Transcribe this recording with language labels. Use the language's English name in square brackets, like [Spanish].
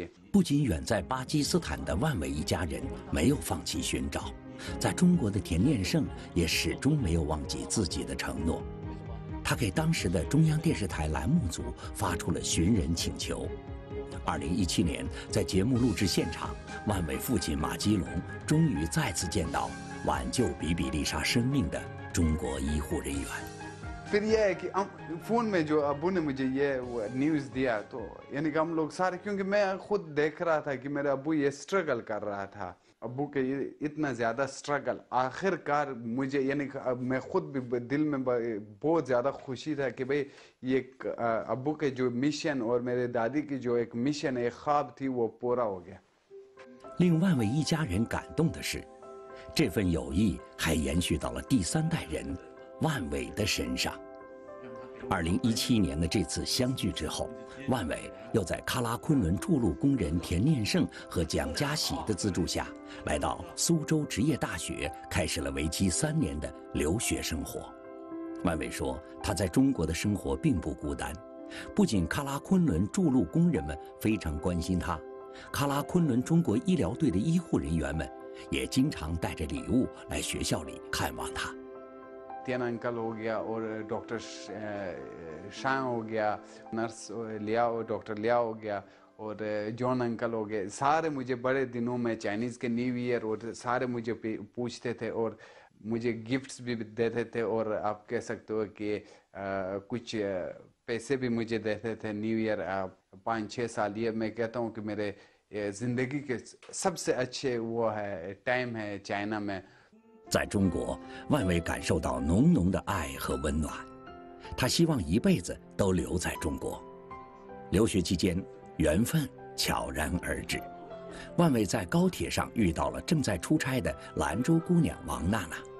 [Chinese] 不仅远在巴基斯坦的万维一家人没有放弃寻找，在中国的田念生也始终没有忘记自己的承诺。他给当时的中央电视台栏目组发出了寻人请求。 2017年，在节目录制现场，万维父亲马基龙终于再次见到挽救比比利沙生命的中国医护人员。 [Hindi] फिर ये है कि फोन में जो अबू ने मुझे ये news दिया तो यानी कि हम लोग सारे क्योंकि मैं खुद देख रहा था कि मेरा अबू ये struggle कर रहा था अबू के ये इतना ज्यादा struggle आखिरकार मुझे यानी कि मैं खुद भी दिल में बहुत ज्यादा खुशी था कि भाई ये अबू के जो mission और मेरे दादी की जो एक mission एक ख्वाब थी वो पूरा हो गया। [Chinese] 令万维一家人感动的是，这份友谊还延续到了第三代人万伟的身上。 2017年的这次相聚之后，万伟又在喀拉昆仑筑路工人田念胜和蒋家喜的资助下，来到苏州职业大学，开始了为期3年的留学生活。万伟说，他在中国的生活并不孤单，不仅喀拉昆仑筑路工人们非常关心他，喀拉昆仑中国医疗队的医护人员们也经常带着礼物来学校里看望他。田安高罗亚或者 Dr. 山欧亚 Nurse 廖 Dr. 廖欧亚 [Hindi] और जॉन अंकल हो गए, सारे मुझे बड़े दिनों में चाइनीज के न्यू ईयर और सारे मुझे पूछते थे और मुझे गिफ्ट्स भी देते थे, और आप कह सकते हो कि कुछ पैसे भी मुझे देते थे न्यू ईयर 5-6 साल। ये मैं कहता हूँ कि मेरे जिंदगी के सबसे अच्छे वो है टाइम है चाइना में। [Chinese] 在中国, 万维 感受到 浓浓的 爱和温暖, 他希望一辈子都留在中国。留学期间, 缘分 悄然而至。万维在高铁上遇到了 正在出差的兰州姑娘王娜娜。